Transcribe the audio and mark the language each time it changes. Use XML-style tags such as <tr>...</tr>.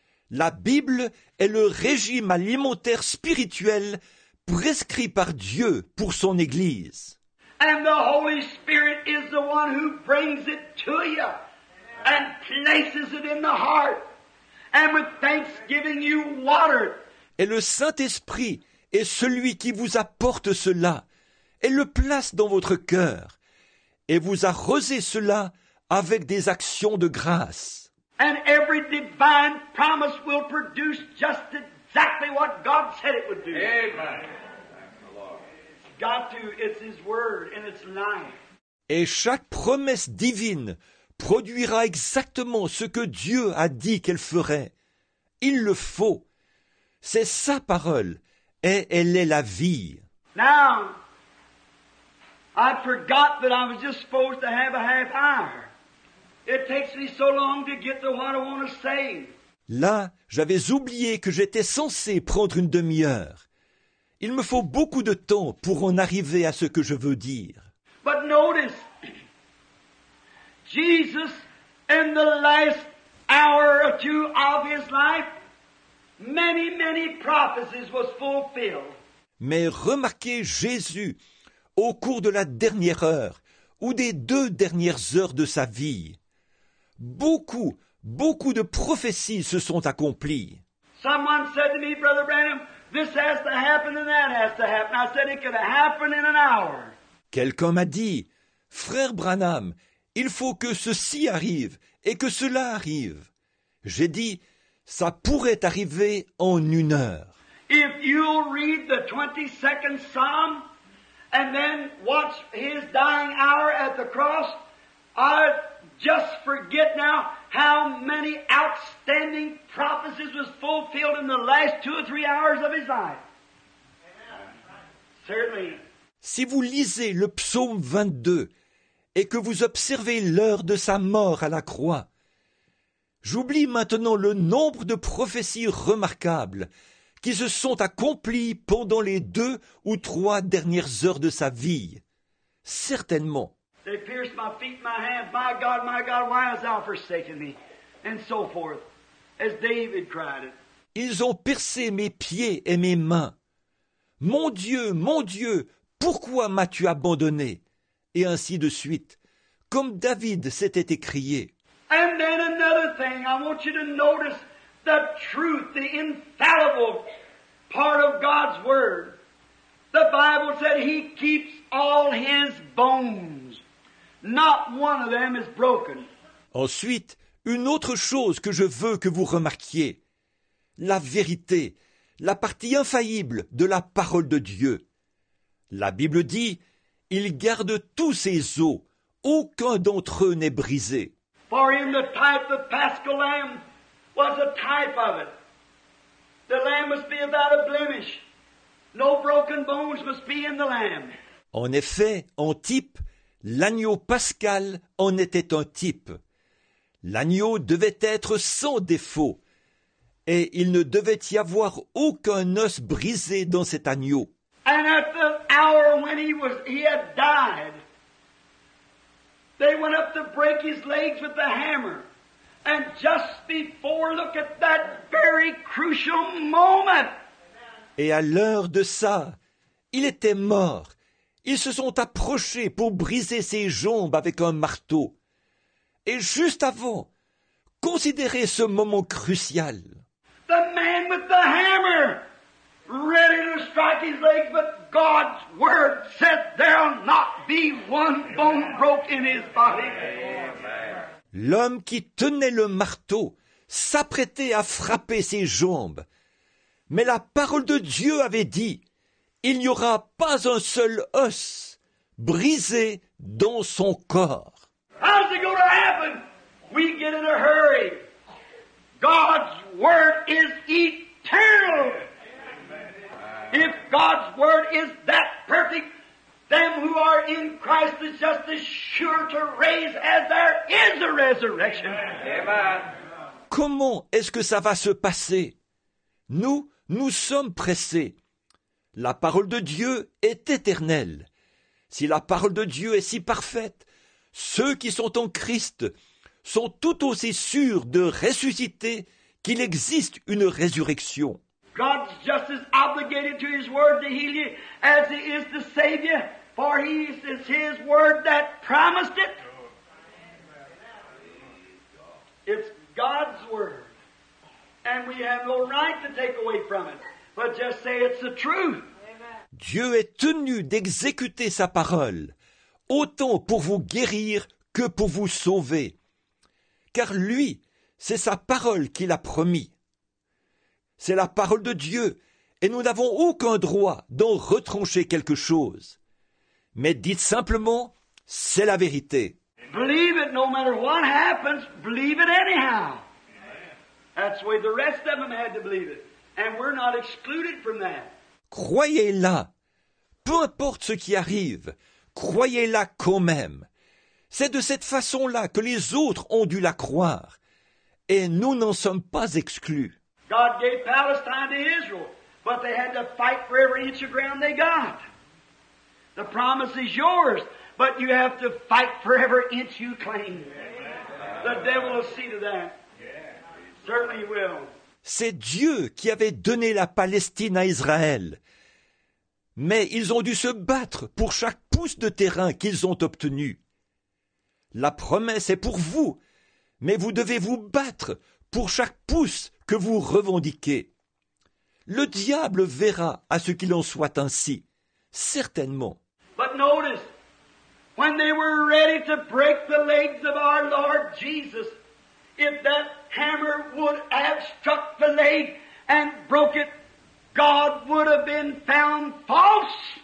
<fr>La Bible est le régime alimentaire spirituel prescrit par Dieu pour son Église.</fr> <en>And the Holy Spirit is the one who brings it to you and places it in the heart. And with thanksgiving you water it.</en> <fr>Et le Saint-Esprit est celui qui vous apporte cela et le place dans votre cœur et vous arrosez cela avec des actions de grâce.</fr> <en>And every divine promise will produce just exactly what God said it would do. Amen. Got to, it's his word and it's life.</en> <fr>Et chaque promesse divine produira exactement ce que Dieu a dit qu'elle ferait. Il le faut. C'est sa parole et elle est la vie.</fr> <en>Now, I forgot that I was just supposed to have a half hour. It takes me so long to get to what I want to say.</en> <fr>Là, j'avais oublié que j'étais censé prendre une demi-heure. Il me faut beaucoup de temps pour en arriver à ce que je veux dire.</fr> <en>But notice, Jesus, in the last hour or two of his life, many, many prophecies was fulfilled.</en> <fr>Mais remarquez Jésus, au cours de la dernière heure, ou des deux dernières heures de sa vie. Beaucoup, beaucoup de prophéties se sont accomplies.</fr> <en>Someone said to me, Brother Branham, this has to happen and that has to happen. I said it could happen in an hour.</en> <fr>Quelqu'un m'a dit, Frère Branham, il faut que ceci arrive et que cela arrive. J'ai dit, ça pourrait arriver en une heure.</fr> <en>If you'll read the 22nd Psalm and then watch his dying hour at the cross, just forget now how many outstanding prophecies was fulfilled in the last two or three hours of his life. Certainly.</en> <fr>Si vous lisez le psaume 22 et que vous observez l'heure de sa mort à la croix, j'oublie maintenant le nombre de prophéties remarquables qui se sont accomplies pendant les deux ou trois dernières heures de sa vie. Certainement.</fr> <en>They pierced my feet, my hands. My God, why hast thou forsaken me? And so forth, as David cried it.</en> <fr>Ils ont percé mes pieds et mes mains. Mon Dieu, pourquoi m'as-tu abandonné? Et ainsi de suite, comme David s'était écrié.</fr> <en>And then another thing, I want you to notice the truth, the infallible part of God's word. The Bible said he keeps all his bones. Not one of them is broken.</en> <fr>Ensuite, une autre chose que je veux que vous remarquiez. La vérité, la partie infaillible de la parole de Dieu. La Bible dit, il garde tous ses os, aucun d'entre eux n'est brisé.</fr> <en>For in the type the Paschal Lamb was a type of it. The Lamb must be without a blemish. No broken bones must be in the Lamb.</en> <fr>En effet, en type, l'agneau pascal en était un type. L'agneau devait être sans défaut, et il ne devait y avoir aucun os brisé dans cet agneau.</fr> <en>And at the hour when he had died, they went up to break his legs with the hammer. And just before, look at that very crucial moment.</en> <fr>Et à l'heure de ça, il était mort. Ils se sont approchés pour briser ses jambes avec un marteau. Et juste avant, considérez ce moment crucial.</fr> <en>The man with the hammer, ready to strike his legs, but God's word said there'll not be one bone broke in his body. Amen.</en> <fr>l'homme qui tenait le marteau s'apprêtait à frapper ses jambes. Mais la parole de Dieu avait dit « Il n'y aura pas un seul os brisé dans son corps. »</fr> <en>How's it gonna happen? We get in a hurry. God's word is eternal. If God's word is that perfect, them who are in Christ is just as sure to raise as there is a resurrection. Amen.</en> <fr>Comment est-ce que ça va se passer? Nous, nous sommes pressés. La parole de Dieu est éternelle. Si la parole de Dieu est si parfaite, ceux qui sont en Christ sont tout aussi sûrs de ressusciter qu'il existe une résurrection.</fr> <en>God's just as obligated to his word to heal you as he is to save you, for he is his word that promised it. It's God's word, and we have no right to take away from it, but just say it's the truth.</en> <fr>Dieu est tenu d'exécuter sa parole, autant pour vous guérir que pour vous sauver. Car lui, c'est sa parole qu'il a promis. C'est la parole de Dieu, et nous n'avons aucun droit d'en retrancher quelque chose. Mais dites simplement, c'est la vérité.</fr> <en>Believe it, no matter what happens, believe it anyhow. That's the way the rest of them had to believe it. And we're not excluded from that.</en> <fr>Croyez-la. Peu importe ce qui arrive, croyez-la quand même. C'est de cette façon-là que les autres ont dû la croire. Et nous n'en sommes pas exclus.</fr> <en>God gave Palestine to Israel, but they had to fight for every inch of ground they got. The promise is yours, but you have to fight for every inch you claim. The devil will see to that. Certainly he will.</en> <fr>C'est Dieu qui avait donné la Palestine à Israël. Mais ils ont dû se battre pour chaque pouce de terrain qu'ils ont obtenu. La promesse est pour vous, mais vous devez vous battre pour chaque pouce que vous revendiquez. Le diable verra à ce qu'il en soit ainsi, certainement.</fr> <en>But notice, when they were ready to break the legs of our Lord Jesus, if that hammer would have struck the leg and broke it, God would have been found false.</en>